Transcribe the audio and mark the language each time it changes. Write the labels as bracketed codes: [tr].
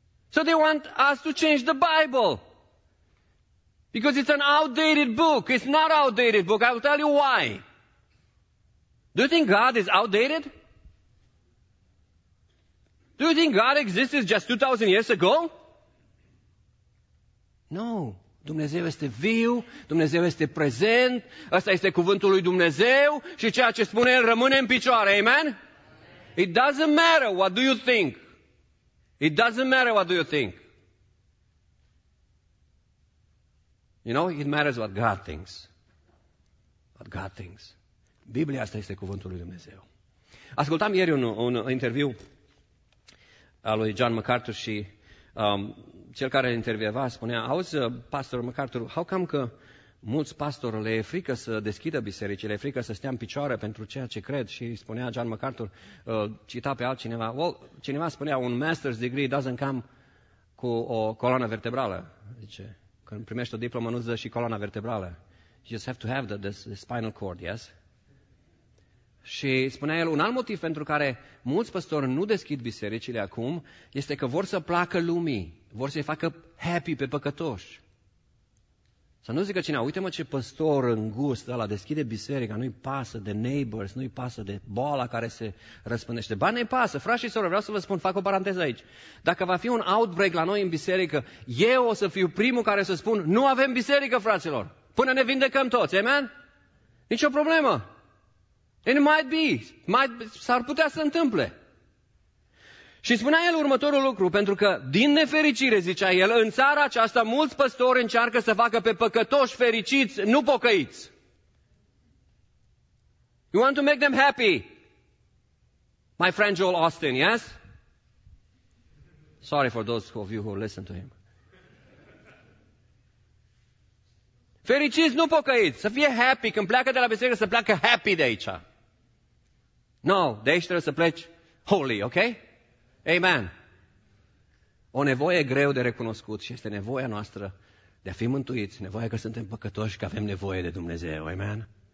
[en] So they want us to change the Bible. Because it's an outdated book. It's not an outdated book. I will tell you why. Do you think God is outdated? Do you think God existed just 2,000 years ago? No. [ro] Dumnezeu este viu, Dumnezeu este prezent, ăsta este cuvântul lui Dumnezeu și ceea ce spune El rămâne în picioare. [en] Amen? It doesn't matter what do you think. It doesn't matter what do you think. You know, it matters what God thinks. What God thinks. [ro] Biblia asta este cuvântul lui Dumnezeu. Ascultam ieri un interviu al lui John MacArthur și cel care intervieva spunea, auzi, pastor MacArthur, [en] how come [ro] că mulți pastori le e frică să deschidă bisericile, le e frică să stea în picioare pentru ceea ce cred? Și spunea John MacArthur, cita pe altcineva, well, cineva spunea, un [en] master's degree doesn't come [ro] cu o coloană vertebrală. Zice, când primești o diplomă nu-ți dă și coloana vertebrală. [en] You just have to have the spinal cord, yes? [ro] Și spunea el, un alt motiv pentru care mulți păstori nu deschid bisericile acum este că vor să placă lumii, vor să-i facă happy pe păcătoși. Să nu zică cineva, uite-mă ce păstor îngust ăla deschide biserica, nu-i pasă de neighbors, nu-i pasă de boala care se răspândește. Ba ne-i pasă, frați și soră, vreau să vă spun, fac o paranteză aici. Dacă va fi un outbreak la noi în biserică, eu o să fiu primul care să spun, nu avem biserică, fraților, până ne vindecăm toți, amen? Nici o problemă. [en] And it might be, [ro] s-ar putea să întâmple. Și spunea el următorul lucru, pentru că, din nefericire, zicea el, în țara aceasta mulți păstori încearcă să facă pe păcătoși fericiți, nu pocăiți. [en] You want to make them happy? My friend Joel Austin, yes? Sorry for those of you who listen to him. [ro] Fericiți, nu pocăiți. Să fie happy. Când pleacă de la biserică, să pleacă happy de aici. No, de aici trebuie să pleci holy, ok? Amen. O nevoie greu de recunoscut și este nevoia noastră de a fi mântuiți, nevoia că suntem păcătoși, că avem nevoie de Dumnezeu, amen?